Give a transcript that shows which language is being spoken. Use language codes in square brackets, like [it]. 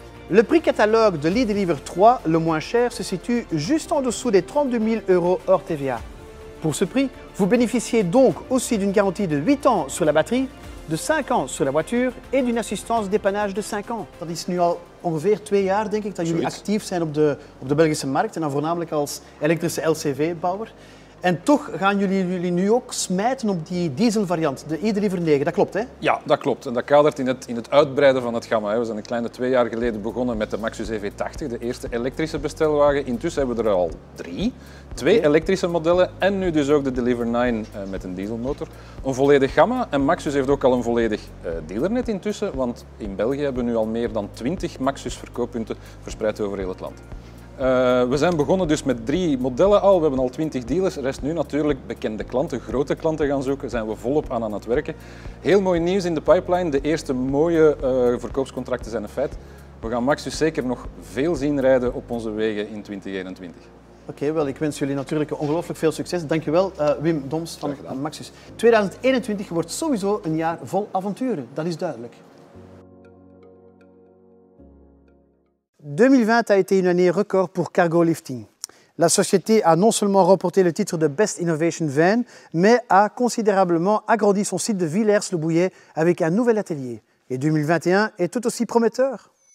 [fr] Le prix catalogue de l'e-Deliver 3, le moins cher, se situe juste en dessous des 32 000 euros hors TVA. Pour ce prix, vous bénéficiez donc aussi d'une garantie de 8 ans sur la batterie, de 5 ans sur la voiture et d'une assistance dépannage de 5 ans. [nl] Dat is nu al ongeveer 2 jaar, denk ik, dat jullie actief zijn op de Belgische markt en dan voornamelijk als elektrische LCV-bouwer. En toch gaan jullie nu ook smijten op die dieselvariant, de e-Deliver 9. Dat klopt, hè? Ja, dat klopt. En dat kadert in het uitbreiden van het gamma. Hè. We zijn een kleine 2 jaar geleden begonnen met de Maxus EV80, de eerste elektrische bestelwagen. Intussen hebben we er al 3. 2 okay. Elektrische modellen en nu dus ook de Deliver 9 met een dieselmotor. Een volledig gamma. En Maxus heeft ook al een volledig dealernet intussen. Want in België hebben we nu al meer dan 20 Maxus verkooppunten verspreid over heel het land. We zijn begonnen dus met 3 modellen al. We hebben al 20 dealers. Er rest nu natuurlijk bekende klanten, grote klanten gaan zoeken. Daar zijn we volop aan het werken. Heel mooi nieuws in de pipeline. De eerste mooie verkoopscontracten zijn een feit. We gaan Maxus zeker nog veel zien rijden op onze wegen in 2021. Oké, okay, wel. Ik wens jullie natuurlijk ongelooflijk veel succes. Dankjewel, Wim Doms van Maxus. 2021 wordt sowieso een jaar vol avonturen. Dat is duidelijk. [fr] 2020 a été une année record pour Cargo Lifting. La société a non seulement remporté le titre de Best Innovation Van, mais a considérablement agrandi son site de Villers-le-Bouillet avec un nouvel atelier. Et 2021 est tout aussi prometteur.